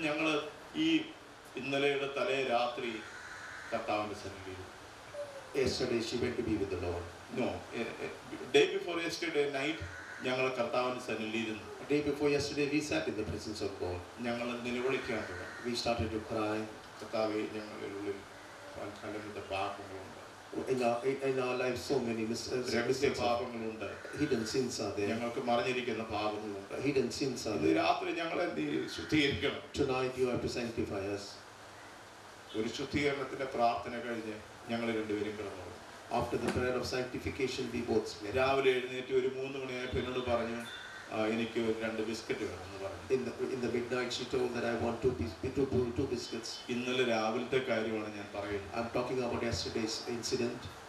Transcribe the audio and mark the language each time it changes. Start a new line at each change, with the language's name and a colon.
Malayalam: ഞങ്ങൾ ഈ ഇന്നലെയുടെ തലേ രാത്രി കർത്താവിന്റെ സന്നിധിയിൽ.
English: Yesterday she went to be with the Lord. No, day before yesterday night
Malayalam: ഞങ്ങൾ കർത്താവിന്റെ സന്നിധിയിൽ ഇരുന്നു.
English: Day before yesterday we sat in the presence of God.
Malayalam: ഞങ്ങൾ നിലവിളിക്കാൻ തുടങ്ങി.
English: We started to cry.
Malayalam: കർത്താവേ, ഞങ്ങളുടെ ഉള്ളിൽ പലതരത്തിലുള്ള പാപങ്ങളുണ്ട്.
English: In our life so many mistakes,
Malayalam: പാപങ്ങളുണ്ട്.
English: Hidden sins are there.
Malayalam: ഞങ്ങൾക്ക് മറഞ്ഞിരിക്കുന്ന പാപങ്ങളുണ്ട്.
English: Hidden sins are there.
Malayalam: രാത്രി ഞങ്ങൾ എന്ത് ശുദ്ധീകരിക്കണം.
English: Tonight you have to sanctify us.
Malayalam: ഒരു ശുദ്ധീകരണത്തിന്റെ പ്രാർത്ഥന കഴിഞ്ഞ് ഞങ്ങൾ രണ്ടുപേരും കിടന്നു.
English: After the prayer of sanctification we both slept.
Malayalam: രാവിലെ എഴുന്നേറ്റ് ഒരു 3 മണിയായപ്പോൾ എന്നോട് പറഞ്ഞു, എനിക്ക് രണ്ട് ബിസ്ക്കറ്റ് വേണം എന്ന് പറഞ്ഞു.
English: In the midnight she told that I want two biscuits.
Malayalam: ഇന്നലെ രാവിലത്തെ കാര്യമാണ് ഞാൻ പറയുന്നത്.
English: I'm talking about yesterday's incident.